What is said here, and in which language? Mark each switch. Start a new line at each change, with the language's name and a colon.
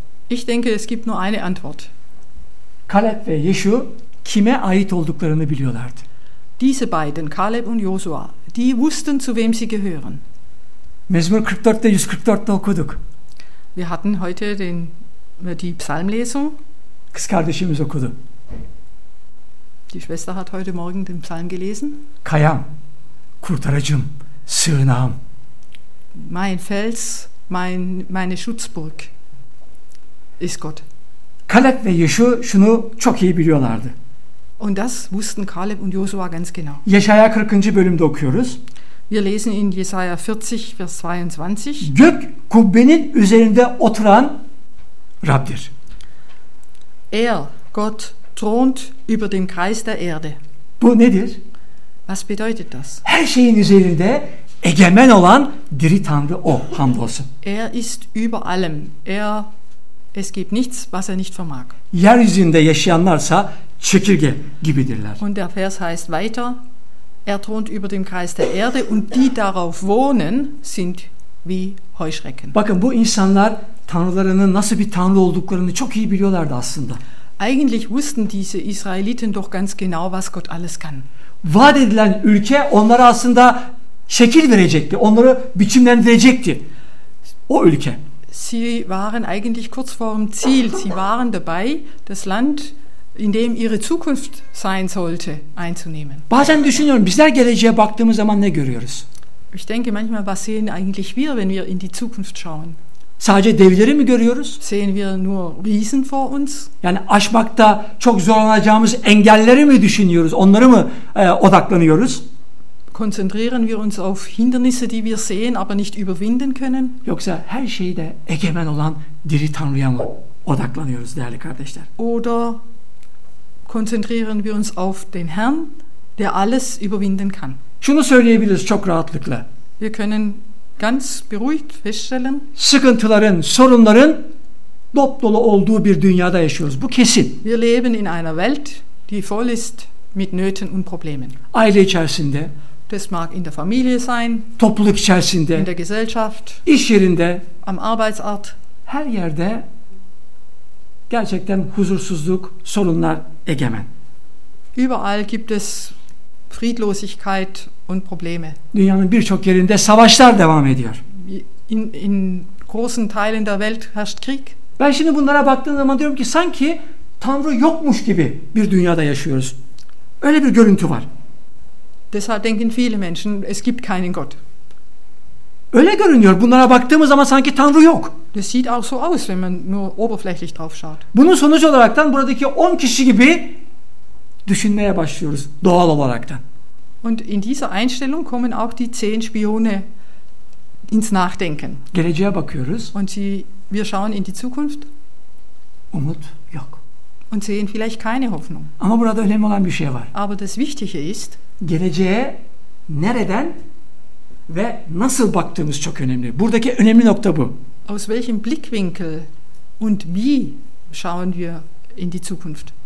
German: Ich denke, es gibt nur eine Antwort.
Turkish: Kaleb ve Yeşe kime ait olduklarını biliyorlardı.
German: Diese beiden, Kaleb und Josua, die wussten, zu wem sie gehören.
Turkish: Mezmur 44'te 144'te okuduk.
German: Wir hatten heute den die Psalmlesung.
Turkish: Kız kardeşimiz okudu.
German: Die Schwester hat heute morgen den Psalm gelesen.
Turkish: Kayam, kurtarıcım, sığınağım.
German: Mein Fels, meine Schutzburg ist Gott.
Turkish: Kaleb ve Yeşe şunu çok iyi biliyorlardı.
German: Und das wussten Kaleb und Josua ganz genau.
Turkish: Yeşaya 40. bölümde okuyoruz.
German: Wir lesen in Jesaja 40, Vers 22.
Turkish: Gök kubbenin üzerinde oturan Rab'dir.
German: Er, Gott, thront über dem Kreis der Erde.
Turkish: Bu nedir?
German: Was bedeutet das?
Turkish: Her şeyin üzerinde egemen olan diri Tanrı O, hamdolsun.
German: Er ist über allem. Es gibt nichts, was nicht vermag.
Turkish: Yeryüzünde yaşayanlarsa çekirge gibidirler.
German: Und der Vers heißt weiter. Er thront über dem Kreis der Erde und die darauf wohnen sind wie Heuschrecken.
Turkish: Bakın bu insanlar tanrılarının nasıl bir tanrı olduklarını çok iyi biliyorlardı aslında.
German: Eigentlich wussten diese Israeliten doch ganz genau, was Gott alles kann.
Turkish: Vaat edilen ülke onlara aslında şekil verecekti, onları biçimlendirecekti. O ülke.
German: Sie waren eigentlich kurz vor dem Ziel. Sie waren dabei, das Land, in dem ihre Zukunft sein sollte, einzunehmen.
Turkish: Bazen düşünüyorum, bizler geleceğe baktığımız zaman ne görüyoruz?
German: Ich denke manchmal, was sehen eigentlich wir, wenn wir in die Zukunft schauen?
Turkish: Sadece devleri mi görüyoruz?
German: Sehen wir nur Riesen vor uns?
Turkish: Yani aşmakta çok zorlanacağımız engelleri mi düşünüyoruz? Onları mı odaklanıyoruz?
German: Konzentrieren wir uns auf Hindernisse, die wir sehen, aber nicht überwinden können?
Turkish: Yoksa her şeyde egemen olan diri Tanrı'ya mı odaklanıyoruz değerli kardeşler?
German: Oder konzentrieren wir uns auf den Herrn, der alles überwinden kann.
Turkish: Şunu söyleyebiliriz çok rahatlıkla.
German: Wir können ganz beruhigt feststellen.
Turkish: Sıkıntıların, sorunların dopdolu olduğu bir dünyada yaşıyoruz. Bu kesin.
German: Wir leben in einer Welt, die voll ist mit Nöten und Problemen.
Turkish: Aile içerisinde.
German: Das mag in der Familie sein.
Turkish: Topluluk içerisinde.
German: In der Gesellschaft.
Turkish: İş yerinde.
German: Am Arbeitsort.
Turkish: Her yerde gerçekten huzursuzluk, sorunlar egemen.
German: Überall gibt es Friedlosigkeit und Probleme.
Turkish: Dünyanın birçok yerinde savaşlar devam ediyor.
German: In großen Teilen der Welt herrscht Krieg.
Turkish: Ben şimdi bunlara baktığım zaman diyorum ki sanki Tanrı yokmuş gibi bir dünyada yaşıyoruz. Öyle bir görüntü var.
German: Deshalb denken viele Menschen, es gibt keinen Gott.
Turkish: Öyle görünüyor. Bunlara baktığımız zaman sanki Tanrı yok.
German: Das sieht auch so aus, wenn man nur oberflächlich drauf schaut.
Turkish: Bunun sonucu olaraktan buradaki 10 kişi gibi düşünmeye başlıyoruz doğal olaraktan.
German: Und in dieser Einstellung kommen auch die 10 Spione ins Nachdenken. Und wir schauen in die Zukunft und sehen vielleicht keine Hoffnung. Aber das Wichtige ist, aus welchem Blickwinkel und wie schauen wir in die Zukunft?